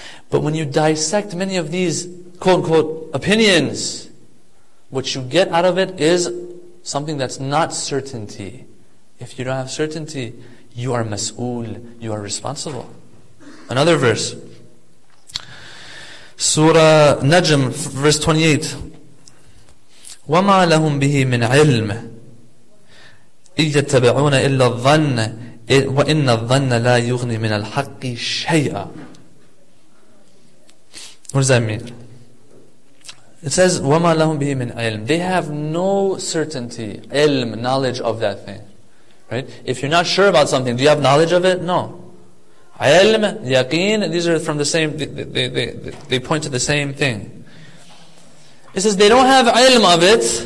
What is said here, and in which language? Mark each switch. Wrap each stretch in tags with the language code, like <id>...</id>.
<en>But when you dissect many of these quote-unquote opinions, what you get out of it is something that's not certainty. If you don't have certainty, you are mas'ul, you are responsible. Another verse. Surah Najm, verse 28.</en> <ar>وَمَا لَهُمْ بِهِ مِنْ عِلْمٍ إِذْ يَتَّبِعُونَ إِلَّا الظَّنَّ وَإِنَّ الظَّنَّ لَا يُغْنِي مِنَ الْحَقِّ شَيْئًا.</ar> <en>What does that mean? It says,</en> <ar>وَمَا لَهُمْ بِهِ مِنْ عِلْمٍ.</ar> <en>They have no certainty, ilm, knowledge of that thing. Right? If you're not sure about something, do you have knowledge of it? No. عِلْم, يَقِين, these are from the same, they point to the same thing. It says, they don't have ilm of it.</en>